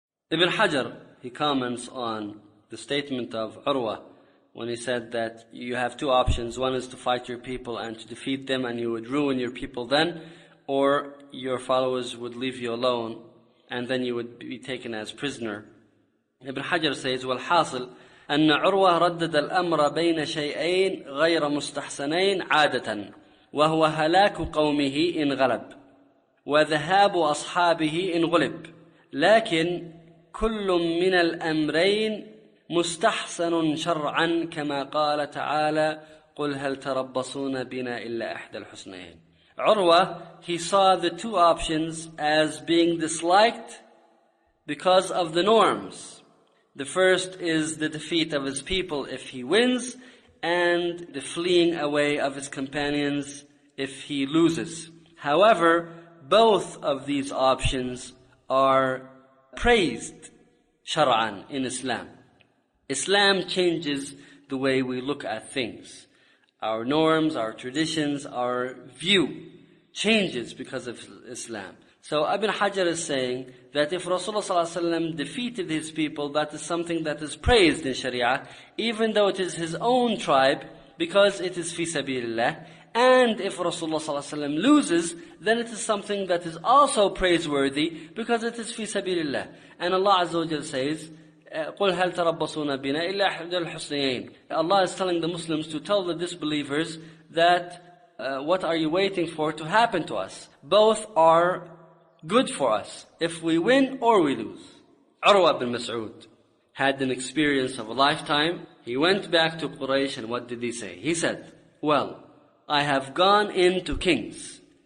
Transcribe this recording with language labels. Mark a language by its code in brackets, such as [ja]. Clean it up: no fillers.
[en] Ibn Hajar, he comments on the statement of Urwa when he said that you have two options. One is to fight your people and to defeat them and you would ruin your people then, or your followers would leave you alone and then you would be taken as prisoner. Ibn Hajar says, [ar] والحاصل أن عروة ردد الأمر بين شيئين غير مستحسنين عادة وهو هلاك قومه إن غلب وذهاب أصحابه إن غلب لكن كل من الأمرين مستحسن شرعا كما قال تعالى قل هل تربصون بنا إلا إحدى الحسنين. [en] عروة, he saw the two options as being disliked because of the norms. The first is the defeat of his people if he wins, and the fleeing away of his companions if he loses. However, both of these options are praised shara'an in Islam. Islam changes the way we look at things. Our norms, our traditions, our view changes because of Islam. So Ibn Hajar is saying that if Rasulullah sallallahu alaihi wasallam defeated his people, that is something that is praised in Sharia, even though it is his own tribe, because it is fi sabilillah. And if Rasulullah sallallahu alaihi wasallam loses, then it is something that is also praiseworthy, because it is fi sabilillah. And Allah azza wa jalla says, [ar] قُلْ هَلْ تَرَبَّصُونَ بِنَا إِلَّا أَحْدَى الْحُسْنَيَيْنِ. [en] Allah is telling the Muslims to tell the disbelievers that what are you waiting for to happen to us? Both are good for us, if we win or we lose. Urwa bin Mas'ud had an experience of a lifetime. He went back to Quraysh and what did he say? He said, well, I have gone into kings.